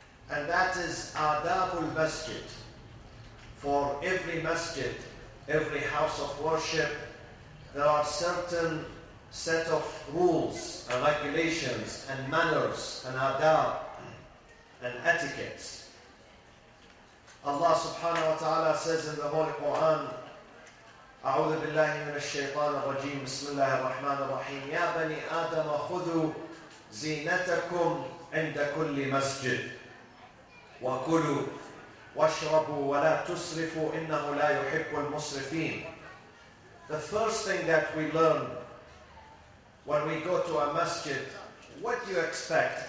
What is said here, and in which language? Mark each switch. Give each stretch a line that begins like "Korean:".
English: And that is Adabul Masjid. For every masjid, every house of worship, there are certain set of rules and regulations and manners and adab and etiquettes. Allah subhanahu wa ta'ala says in the Holy Quran,
Arabic: أعوذ بالله من الشيطان الرجيم بسم الله الرحمن الرحيم يا بني آدم خذوا زينتكم عند كل مسجد وكلوا واشربوا ولا تسرفوا إنه لا يحب المسرفين.
English: The first thing that we learn when we go to a masjid, what do you expect?